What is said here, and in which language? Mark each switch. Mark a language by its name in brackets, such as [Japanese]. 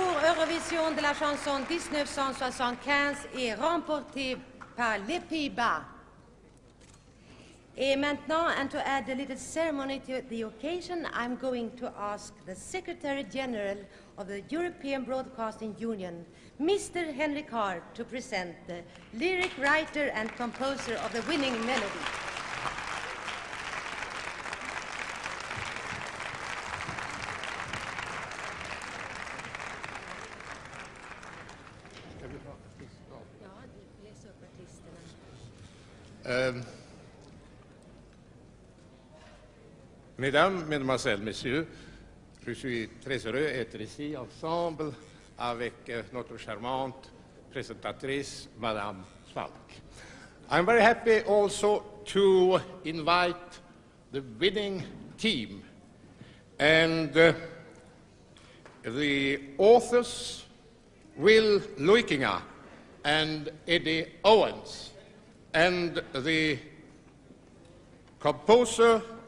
[French] Eurovision de la chanson 1975 est remporté par les Pays-Bas. Et maintenant, [English] and to add a little ceremony to the occasion, I'm going to ask the Secretary General of the European Broadcasting Union, Mr. Henry Carr, to present the lyric writer and composer of the winning melody. [French] Mesdames, Mesdemoiselles, Messieurs, je suis très heureux d'être ici ensemble avec notre charmante présentatrice, Madame Falk. [English] I'm very happy also to invite the winning team and the authors, Will Luikinga and Eddie Owens, and the composer